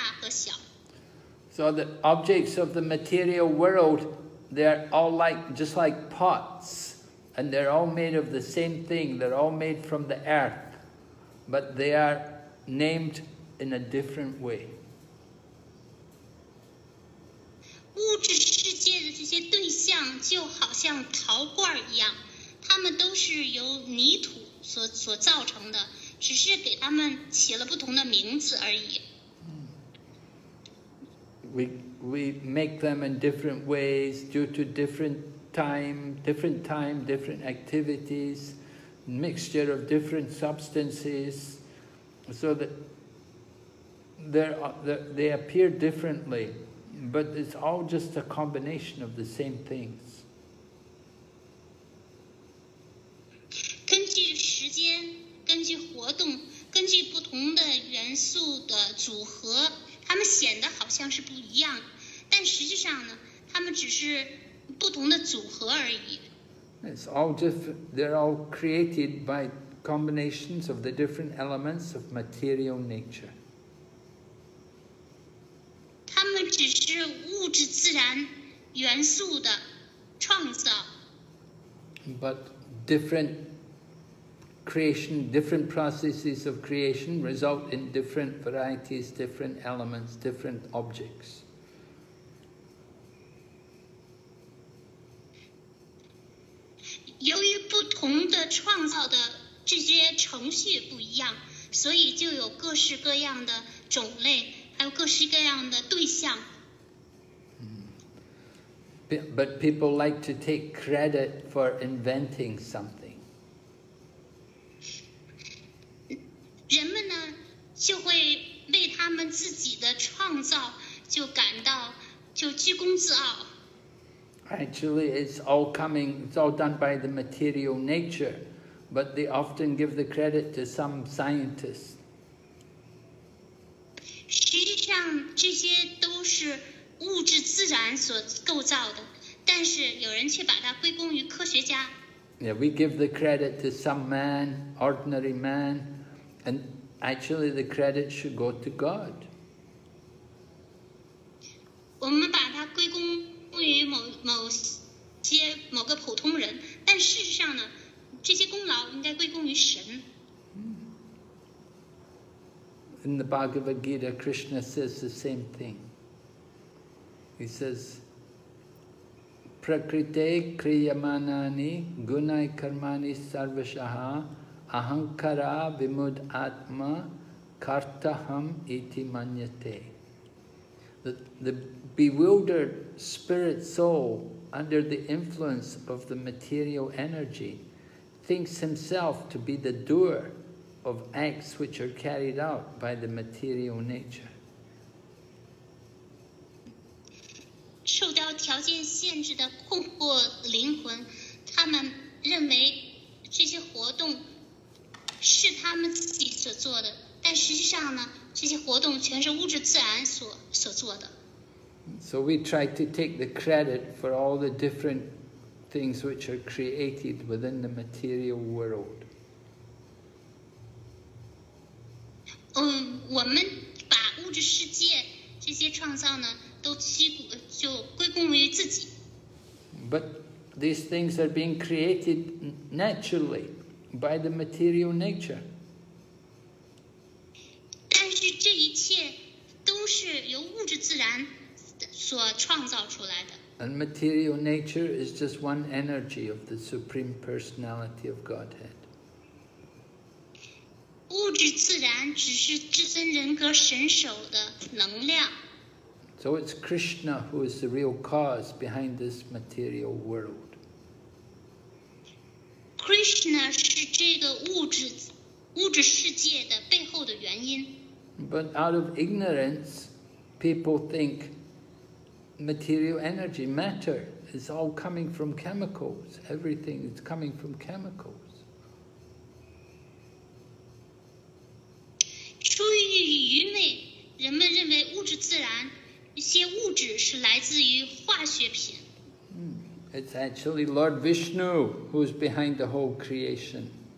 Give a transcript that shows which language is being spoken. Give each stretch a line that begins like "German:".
English: So the objects of the material world, they're all like, just like pots. And they're all made of the same thing, they're all made from the earth, but they are named in a different way.
Chinese: 物质世界的这些些对象就好像陶罐一样，他们都是由泥土所造成的，只是给他们起了不同的名字而已。
English: We make them in different ways due to different time, different activities, mixture of different substances, so that they appear differently, but it's all just a combination of the same things.
Chinese: 根据时间，根据活动，根据不同的元素的组合，它们显得好像是不一样，但实际上呢，它们只是不同的组合而已。
English: It's all different. They're all created by combinations of the different elements of material nature.
Chinese: 它们只是物质自然元素的创造。
English: But different creation, different processes of creation result in different varieties, different elements, different objects.
Chinese: 由于不同的创造的这些程序不一样，所以就有各式各样的种类，还有各式各样的对象。
English: But people like to take credit for inventing something.
Chinese: 人们呢，就会为他们自己的创造就感到就居功自傲。
English: Actually, it's all done by the material nature, but they often give the credit to some scientist.
Chinese: 实际上，这些都是物质自然所构造的，但是有人却把它归功于科学家。
English: Yeah, we give the credit to some man, ordinary man, and actually the credit should go to God.
Chinese: 我们把它归功于某个普通人，但事实上呢，这些功劳应该归功于神。
English: In the Bhagavad Gita, Krishna says the same thing. He says,
Sanskrit: "Prakrite kriyamanani gunai karmani sarvashaha ahankara vimud atma kartaham iti manyate."
English: The bewildered spirit soul under the influence of the material energy thinks himself to be the doer of acts which are carried out by the material nature.
Chinese: 受到条件限制的困惑灵魂，他们认为这些活动是他们自己所做的，但实际上呢，这些活动全是物质自然所做的。
English: So we try to take the credit for all the different things which are created within the material world.
Chinese: 我们把物质世界这些创造呢，就归功于自己。
English: But these things are being created naturally by the material nature.
Chinese: 但是这一切都是由物质自然所创造出来的。
English: And material nature is just one energy of the Supreme Personality of Godhead.
Chinese: 物质自然只是至尊人格神手的能量。
English: So it's Krishna who is the real cause behind this material world.
Chinese: Krishna 是这个物质世界的背后的原因。
English: But out of ignorance, people think material energy, matter, is all coming from chemicals. Everything is coming from chemicals.
Chinese: 出于愚昧，人们认为物质自然，一些物质是来自于化学品。
English: It's actually Lord Vishnu who's behind the whole creation.